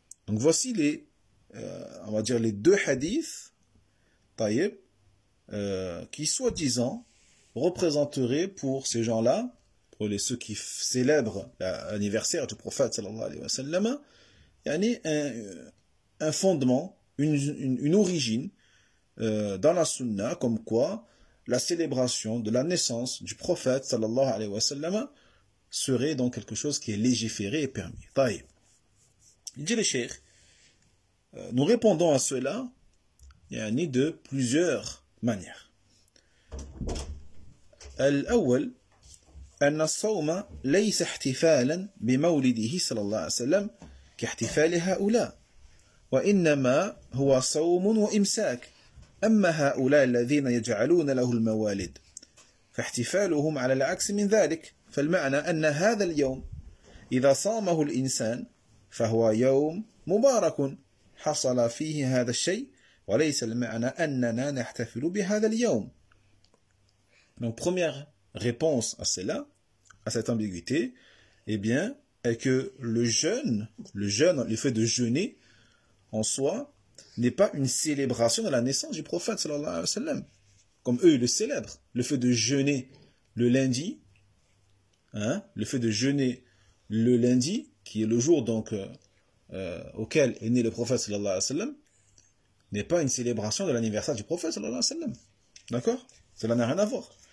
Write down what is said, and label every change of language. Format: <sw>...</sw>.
<fr>Donc voici les, on va dire les deux hadiths, taïeb, qui soi-disant représenteraient pour ces gens-là, pour les ceux qui célèbrent l'anniversaire du prophète sallallahu alayhi wa sallam, il y a un fondement, une origine dans la sunna, comme quoi la célébration de la naissance du prophète sallallahu alayhi wa sallam serait donc quelque chose qui est légiféré et permis. Taïb. Il dit le cheikh, nous répondons à cela de plusieurs manières.</fr> <ar>Al-awwal, أن الصوم ليس احتفالا بمولده صلى الله عليه وسلم كاحتفال هؤلاء وإنما هو صوم وإمساك أما هؤلاء الذين يجعلون له الموالد فاحتفالهم على العكس من ذلك فالمعنى أن هذا اليوم إذا صامه الإنسان فهو يوم مبارك حصل فيه هذا الشيء وليس المعنى أننا نحتفل بهذا اليوم</ar> <fr>donc première réponse à cela, à cette ambiguïté, eh bien, est que le jeûne, le fait de jeûner en soi, n'est pas une célébration de la naissance du prophète, sallallahu alayhi wa sallam. Comme eux, ils le célèbrent. Le fait de jeûner le lundi, hein, le fait de jeûner le lundi, qui est le jour donc auquel est né le prophète, sallallahu alayhi wa sallam, n'est pas une célébration de l'anniversaire du prophète, sallallahu alayhi wa sallam. D'accord? Cela n'a rien à voir.</fr>